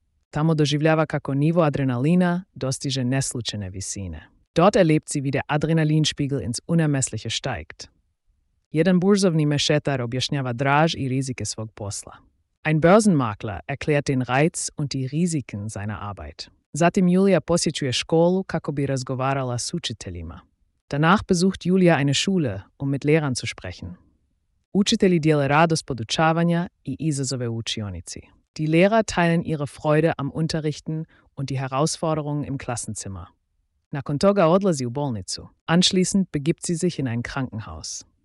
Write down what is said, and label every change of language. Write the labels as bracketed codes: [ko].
[hr] Tamo doživljava kako nivo adrenalina dostiže neslučene visine. [de] Dort erlebt sie, wie der Adrenalinspiegel ins Unermessliche steigt. [hr] Jedan burzovni mešetar objašnjava draž i rizike svog posla. [de] Ein Börsenmakler erklärt den Reiz und die Risiken seiner Arbeit. [hr] Zatim Julia posjećuje školu kako bi razgovarala s učiteljima. [de] Danach besucht Julia eine Schule, um mit Lehrern zu sprechen. [hr] Učitelji dijele radost podučavanja i izazove u učionici. [de] Die Lehrer teilen ihre Freude am Unterrichten und die Herausforderungen im Klassenzimmer. [hr] Nakon toga odlazi u bolnicu. [de] Anschließend begibt sie sich in ein Krankenhaus.